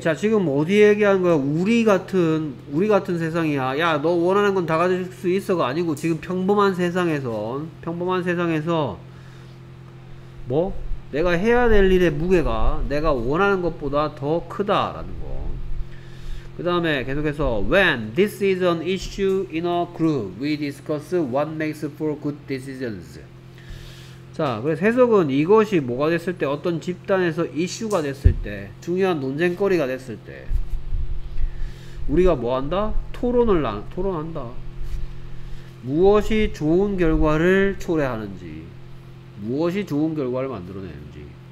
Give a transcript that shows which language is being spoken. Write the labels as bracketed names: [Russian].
[Korean] 자, 지금 어디 얘기한 거야? 우리 같은 세상이야. 야, 너 원하는 건 다 가질 수 있어가 아니고 지금 평범한 세상에서 뭐 내가 해야 될 일의 무게가 내가 원하는 것보다 더 크다라는 거. 그다음에 계속해서 [English] when this is an issue in a group, we discuss what makes for good decisions. [Korean] 자, 그래서 해석은 이것이 뭐가 됐을 때, 어떤 집단에서 이슈가 됐을 때, 중요한 논쟁거리가 됐을 때 우리가 뭐 한다? 토론한다. 무엇이 좋은 결과를 초래하는지, 무엇이 좋은 결과를 만들어내는지.